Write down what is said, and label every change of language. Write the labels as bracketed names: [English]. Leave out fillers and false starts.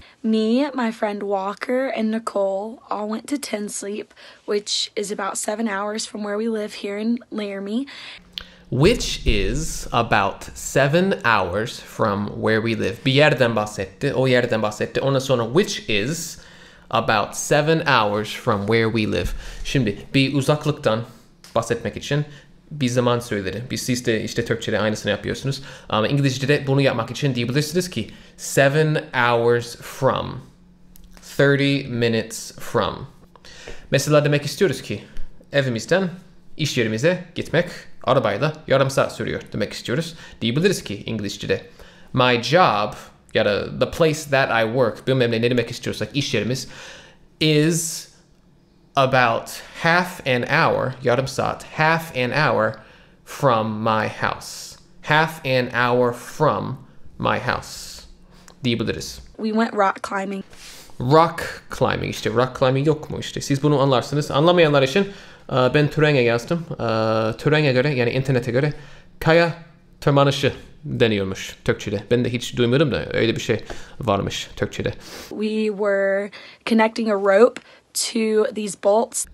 [English] Me, my friend Walker, and Nicole all went to Tensleep, which is about 7 hours from where we live here in Laramie. Which is about 7 hours from where we live. [Turkish] Bir yerden bahsetti, o yerden bahsetti. Ondan sonra [English] which is about 7 hours from where we live. [Turkish] Şimdi bir uzaklıktan bahsetmek için bir zaman söyledi. Siz de işte Türkçe'de aynısını yapıyorsunuz. Ama İngilizce'de bunu yapmak için diyebilirsiniz ki [English] 7 hours from, 30 minutes from. [Turkish] Mesela demek istiyoruz ki evimizden iş yerimize gitmek arabayla yarım saat sürüyor demek istiyoruz. Diyebiliriz ki İngilizce'de my job, ya da the place that I work, bilmem ne demek istiyorsak iş yerimiz, is about half an hour, yarım saat, [English] half an hour from my house. Half an hour from my house. Diyebiliriz. We went rock climbing. [Turkish] Rock climbing, işte rock climbing yok mu işte. Siz bunu anlarsınız. Anlamayanlar için ben Turing'e yazdım. Turing'e göre, yani internete göre, kaya tırmanışı deniyormuş Türkçe'de. Ben de hiç duymadım da öyle bir şey varmış Türkçe'de. [English] We were connecting a rope to these bolts.